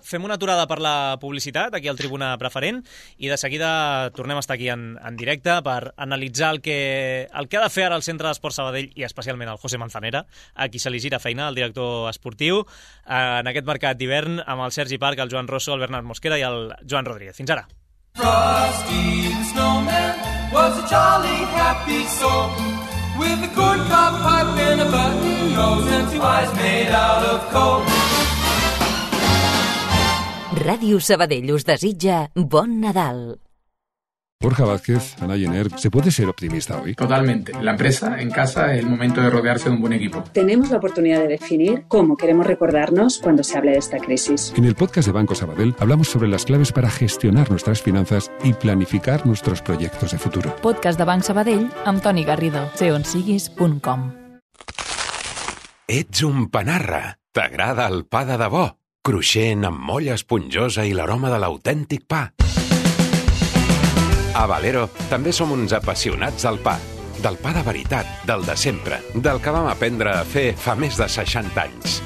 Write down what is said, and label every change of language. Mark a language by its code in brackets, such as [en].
[ca] Fem una aturada per la publicitat aquí al Tribuna Preferent i de seguida tornem a estar aquí en directe per analitzar el que ha de fer ara el Centre d'Esport Sabadell i especialment el José Manzanera, a qui se li gira feina, el director esportiu, en aquest mercat d'hivern amb el Sergi Parc, el Joan Rosso, el Bernat Mosquera i el Joan Rodríguez. Fins ara. [en] Frosty the snowman was a jolly happy soul. With a corncob pipe and a button nose and two eyes made out of coal. [ca] Ràdio Sabadell us desitja bon Nadal. [es] Borja Vázquez, Ana Giner, ¿se puede ser optimista hoy? Totalmente. La empresa, en casa, es el momento de rodearse de un buen equipo. Tenemos la oportunidad de definir cómo queremos recordarnos cuando se hable de esta crisis. En el podcast de Banco Sabadell hablamos sobre las claves para gestionar nuestras finanzas y planificar nuestros proyectos de futuro. [ca] Podcast de Banc Sabadell amb Toni Garrido. Seonsiguis.com. Ets un panarra. T'agrada el pa de debò. Cruixent, amb molla esponjosa i l'aroma de l'autèntic pa. A Valero també som uns apassionats del pa de veritat, del de sempre, del que vam aprendre a fer fa més de 60 anys.